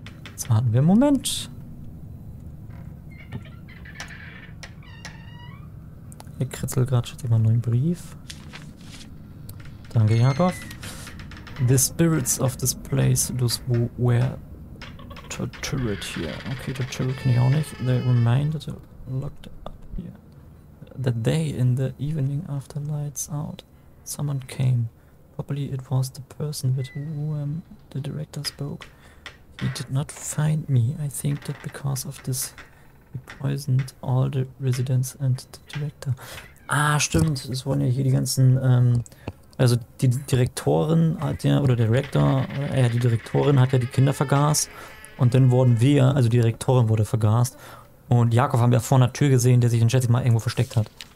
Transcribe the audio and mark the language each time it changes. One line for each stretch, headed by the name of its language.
German: Jetzt warten wir einen Moment. Ich kritzel gerade, schreibe mal einen neuen Brief. Danke, Jakov.
English: The spirits of this place, those were tortured here.
German: Okay, tortured kann ich auch nicht.
English: They reminded locked up here. That day in the evening after lights out, someone came. Probably it was the person with whom the director spoke. He did not find me. I think that because of this, he poisoned all the residents and the director.
German: Ah, stimmt. Es wurden ja hier die ganzen, also die Direktorin hat ja, oder der Rektor, die Direktorin hat ja die Kinder vergast. Und dann wurden wir, also die Direktorin wurde vergast. Und Jakov haben wir vor einer Tür gesehen, der sich dann schätze ich mal irgendwo versteckt hat.